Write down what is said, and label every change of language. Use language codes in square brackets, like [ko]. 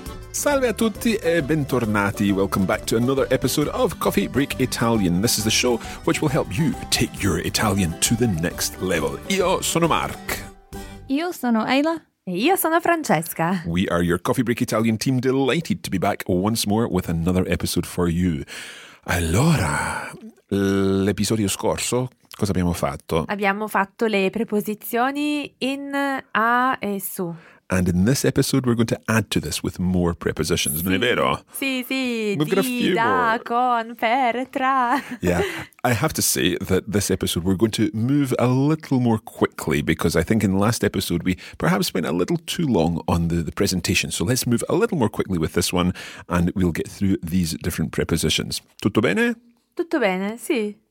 [it] Salve a tutti e bentornati. [en] Welcome back to another episode of Coffee Break Italian. This is the show which will help you take your Italian to the next level. [it] Io sono Mark. Io sono Ayla. Io sono Francesca. [en] We are your Coffee Break Italian team, delighted to be back once more with another episode for you. [it] Allora, l'episodio scorso, cosa abbiamo fatto? Abbiamo fatto le preposizioni in, a e su. [en] And in this episode we're going to add to this with more prepositions, sì. [it] Non è vero? [en] Sì, sì, we've di, da, con, per, tra. Yeah, I have to say that this episode we're going to move a little more quickly because I think in the last episode we perhaps spent a little too long on the presentation. So let's move a little more quickly with this one and we'll get through these different prepositions. [it] Tutto bene? Tutto bene, sì.